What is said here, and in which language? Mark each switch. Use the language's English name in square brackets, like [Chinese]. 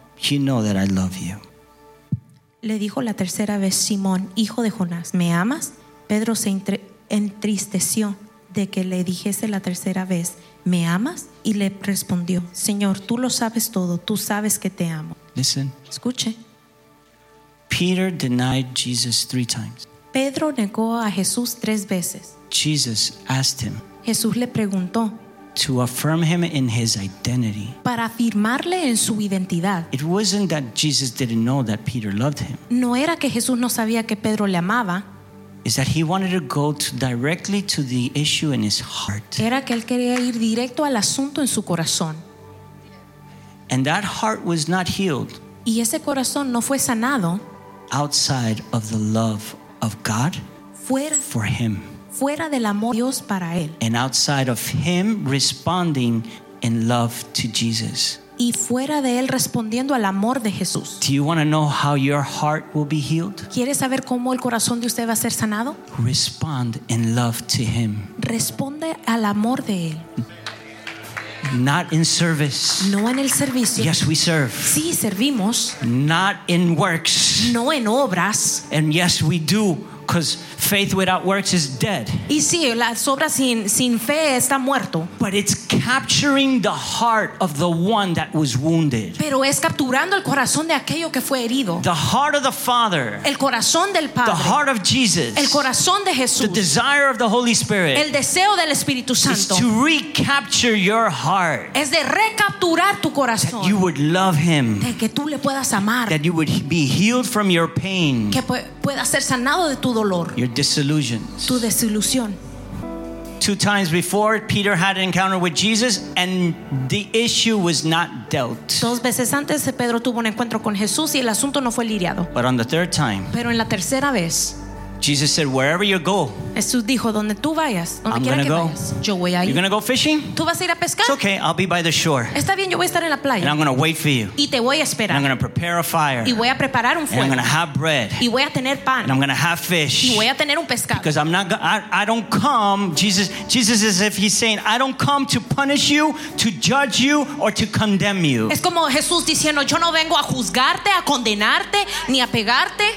[English] You know that I love you." [Spanish] Le dijo la tercera vez, "Simón, hijo de Jonás, ¿me amas?" Pedro se entristeció de que le dijese la tercera vez, "¿Me amas?" Y le respondió, "Señor, tú lo sabes todo, tú sabes que te amo." [English] Listen. [Spanish] Escuche. [English] Peter denied Jesus three times. [Spanish] Pedro negó a Jesús tres veces. [English] Jesus asked him. [Spanish] Jesús le preguntó. [English] To affirm him in his identity. [Spanish] Para afirmarle en su identidad. [English] It wasn't that Jesus didn't know that Peter loved him. [Spanish] No era que Jesús no sabía que Pedro le amaba. [English] Is that he wanted to go directly to the issue in his heart. [Spanish] Era que él quería ir directo al asunto en su corazón. [English] And that heart was not healed. [Spanish] Y ese corazón no fue sanado. [English] Outside of the love of God. [Spanish] Fuera. [English] For him. [Spanish] Fuera del amor Dios para él. [English] And outside of him responding in love to Jesus. [Spanish] y fuera de él respondiendo al amor de Jesús. [English] Do you want to know how your heart will be healed? [Spanish] ¿Quieres saber cómo el corazón de usted va a ser sanado? [English] Respond in love to him. [Spanish] Responde al amor de él. [English] Not in service. [Spanish] No en el servicio. [English] Yes, we serve. [Spanish] Sí, servimos. [English] Not in works. [Spanish] No en obras. [English] And yes, we do. Because faith without works is dead. [Spanish] Y sí, las obras sin fe está muerto. [English] But it's capturing the heart of the one that was wounded. [Spanish] Pero es capturando el corazón de aquello que fue herido. [English] The heart of the Father. [Spanish] El corazón del Padre. [English] The heart of Jesus. [Spanish] El corazón de Jesús. [English] The desire of the Holy Spirit. [Spanish] El deseo del Espíritu Santo. [English] Is to recapture your heart. [Spanish] Es de recapturar tu corazón. [English] That you would love him. [Spanish] De que tú le puedas amar. [English] That you would be healed from your pain. [Spanish] Que pueda ser sanado de tu dolor, [English] your disillusions, [Spanish] tu desilusión. [English] Two times before Peter had an encounter with Jesus and the issue was not dealt. [Spanish] Dos veces antes Pedro tuvo un encuentro con Jesús y el asunto no fue lidiado. [English] But on the third time, [Spanish] pero en la tercera vez, [English] Jesus said, "Wherever you go, [Spanish] Jesús dijo, donde tú vayas, donde [English] I'm [Spanish] quiera [English] gonna go. [Spanish] Vayas, yo voy a ir. [English] You're gonna go fishing? [Spanish] Tú vas a ir a pescar? [English] It's okay, I'll be by the shore. [Spanish] Está bien, yo voy a estar en la playa. [English] And I'm gonna wait for you. [Spanish] Y te voy a esperar. [English] And I'm gonna prepare a fire. [Spanish] Y voy a preparar un fuego. [English] And I'm gonna have bread. [Spanish] Y voy a tener pan. [English] And I'm gonna have fish. [Spanish] Y voy a tener un pescado. [English] Because I'm not. I don't come. Jesus is as if he's saying, I don't come to punish you, to judge you, or to condemn you. [Spanish] Es como Jesús diciendo, yo no vengo a juzgarte, a condenarte, ni a pegarte.